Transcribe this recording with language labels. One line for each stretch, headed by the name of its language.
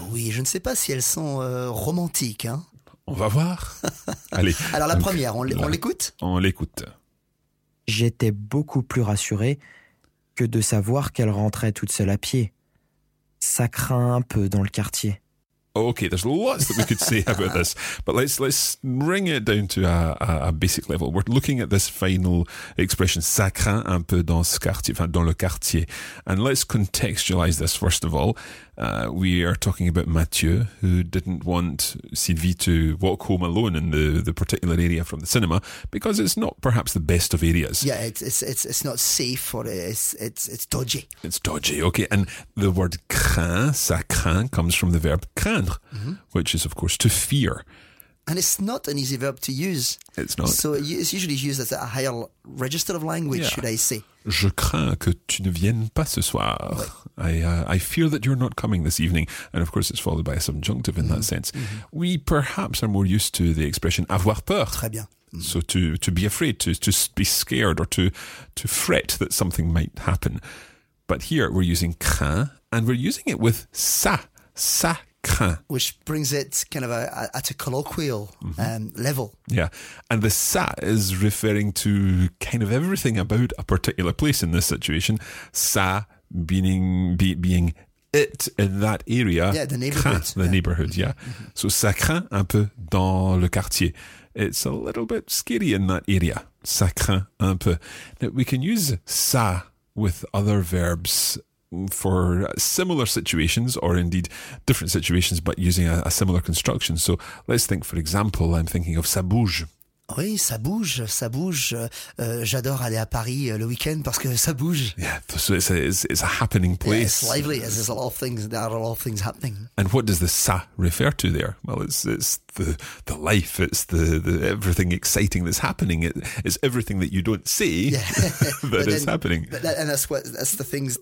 French: Oui, je ne sais pas si elles sont romantiques. Hein. On va voir. Allez. Alors la première, on l'écoute? On l'écoute. J'étais beaucoup plus rassuré que de savoir qu'elle rentrait toute seule à pied. Ça craint un peu dans le quartier.
English: Okay, there's lots that we could say about this, but let's bring it down to a basic level. We're looking at this final expression,
French: ça craint un peu dans ce quartier, enfin dans le quartier.
English: And let's contextualize this first of all. We are talking about Mathieu, who didn't want Sylvie to walk home alone in the particular area from the cinema because it's not perhaps the best of areas. Yeah, it's not safe or it's dodgy. It's dodgy, okay. And the word craint, ça craint, comes from the verb craindre, which is, of course, to fear. And it's not an easy verb to use. It's not. So it's usually used as a higher register of language, yeah. Should I say.
French: Je crains que tu ne viennes pas ce soir.
English: I fear that you're not coming this evening. And of course, it's followed by a subjunctive in that sense. Mm-hmm. We perhaps are more used to the expression avoir peur.
French: Très bien. Mm-hmm.
English: So to be afraid, to be scared or to fret that something might happen. But here we're using crains and we're using it with ça.
French: Ça craint.
English: Which brings it kind of at a colloquial level. Yeah. And the ça is referring to kind of everything about a particular place in this situation. Ça being it in that area. Yeah, the neighborhood. Craint, the neighborhood, yeah.
French: So ça craint un peu dans le quartier.
English: It's a little bit scary in that area.
French: Ça craint un peu.
English: Now, we can use ça with other verbs for similar situations or indeed different situations but using a similar construction. So let's think, for example, I'm thinking of ça bouge.
French: Oui, ça bouge, ça bouge. J'adore aller à Paris le week-end parce que ça bouge.
English: Yeah, so it's a happening place. Yeah, it's lively, as there's a lot of things, there are a lot of things happening. And what does the ça refer to there? Well, it's the life, it's the everything exciting that's happening. It's everything that you don't see that is happening. That's the things.